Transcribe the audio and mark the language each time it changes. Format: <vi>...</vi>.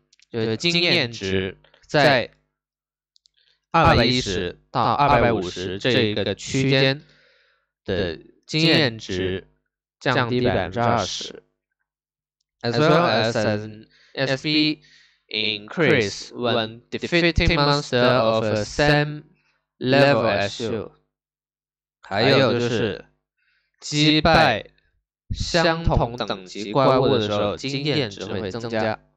<zh>就是经验值在210到250这个区间的经验值降低20%,</zh> <en>as well as an ESP increase when defeating monster of the same level as you.</en> <zh>还有就是击败相同等级怪物的时候，经验值会增加。</zh>